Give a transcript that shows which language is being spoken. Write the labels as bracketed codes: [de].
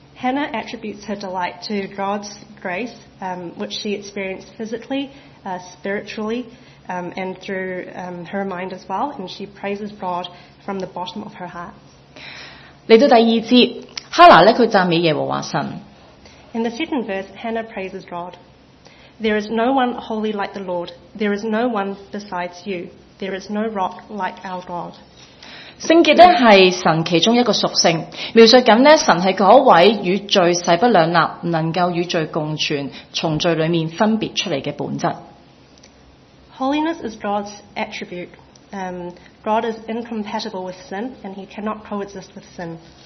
[en] Hannah attributes her delight to God's grace, which she experienced physically, spiritually, and through her mind as well, and she praises God from the bottom of her heart. [zh] 来到第二节, Hannah, 她赞美耶和华神。 [en] In the second verse, Hannah praises God. There is no one holy like the Lord. There is no one besides you. There is no rock like our God. [zh] 圣洁是神其中一个属性，描述着神是那位与罪势不两立，能够与罪共存，从罪里面分别出来的本质。 [en] Holiness is God's attribute. God is incompatible with sin, and he cannot coexist with sin.